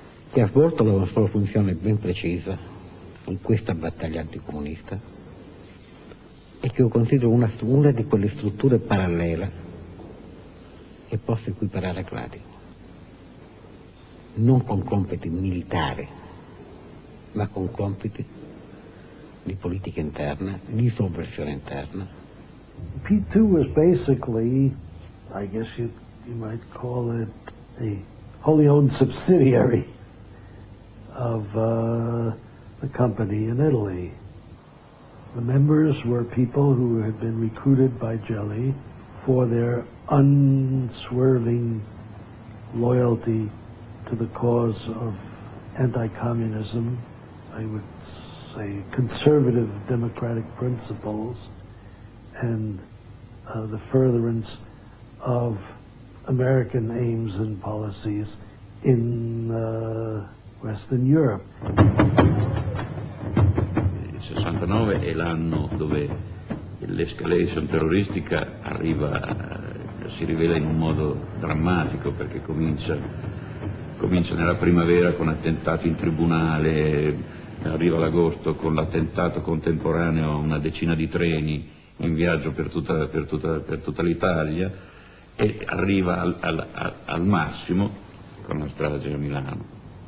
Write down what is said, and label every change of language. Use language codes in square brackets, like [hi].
[it] che ha svolto la sua funzione ben precisa in questa battaglia anticomunista e che io considero una di quelle strutture parallele che posso equiparare a Cladio, non con compiti militari ma con compiti di politica interna, di sovversione interna. [en] P2 was basically, I guess you might call it, a wholly owned subsidiary of the company in Italy. The members were people who had been recruited by Gelli for their unswerving loyalty to the cause of anti-communism, I would say conservative democratic principles, and the furtherance of American aims and policies in Western Europe. [it] Il 69 è l'anno dove l'escalation terroristica arriva, si rivela in un modo drammatico, perché comincia nella primavera con attentati in tribunale, arriva l'agosto con l'attentato contemporaneo a una decina di treni in viaggio per tutta l'Italia, e arriva al massimo con la strage a Milano.